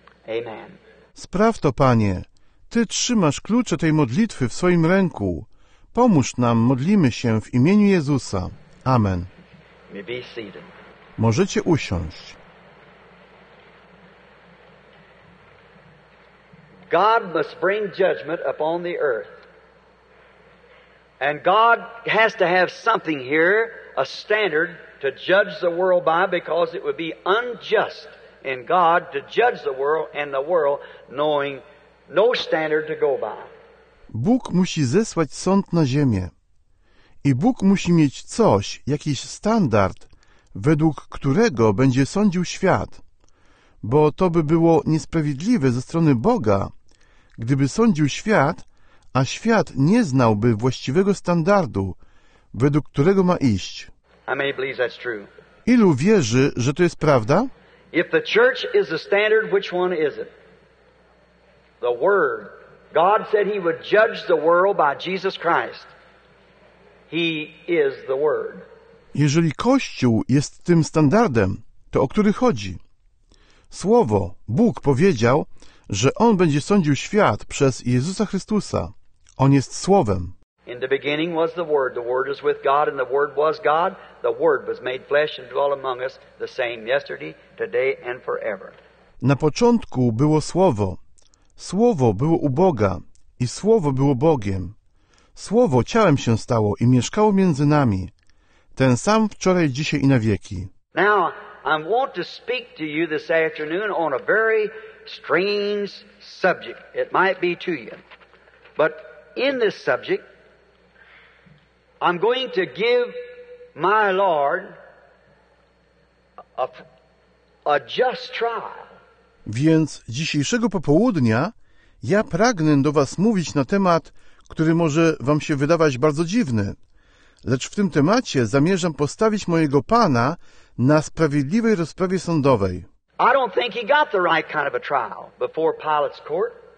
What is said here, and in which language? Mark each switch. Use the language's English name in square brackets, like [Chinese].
[English] Amen. [Polish] Spraw to, Panie. Ty trzymasz klucze tej modlitwy w swoim ręku. Pomóż nam, modlimy się w imieniu Jezusa. [English] Amen. May be seated. [Polish] Możecie usiąść. [English] God must bring judgment upon the earth. And God has to have something here, a standard to judge the world by, because it would be unjust in God to judge the world and the world knowing no standard to go by. [Polish] Bóg musi zesłać sąd na ziemię. I Bóg musi mieć coś, jakiś standard, według którego będzie sądził świat, bo to by było niesprawiedliwe ze strony Boga, gdyby sądził świat, a świat nie znałby właściwego standardu, według którego ma iść. [English] I may believe that's true. [Polish] Ilu wierzy, że to jest prawda? [English] If the church is the standard, which one is it? The Word. God said He would judge the world by Jesus Christ. He is the Word. [Polish] Jeżeli Kościół jest tym standardem, to o który chodzi? Słowo, Bóg powiedział, że On będzie sądził świat przez Jezusa Chrystusa. On jest Słowem. [English] In the beginning was the Word. The Word is with God, and the Word was God. The Word was made flesh and dwelt among us, the same yesterday, today and forever. [Polish] Na początku było Słowo. Słowo było u Boga i Słowo było Bogiem. Słowo ciałem się stało i mieszkało między nami. Ten sam wczoraj, dzisiaj i na wieki. [English] Now, I want to speak to you this afternoon on a very strange subject. It might be to you. But in this subject, I'm going to give my Lord a just trial. [Polish] Więc dzisiejszego popołudnia ja pragnę do Was mówić na temat, który może Wam się wydawać bardzo dziwny. Lecz w tym temacie zamierzam postawić mojego Pana na sprawiedliwej rozprawie sądowej. [English] I don't think he got the right kind of a trial before Pilate's court.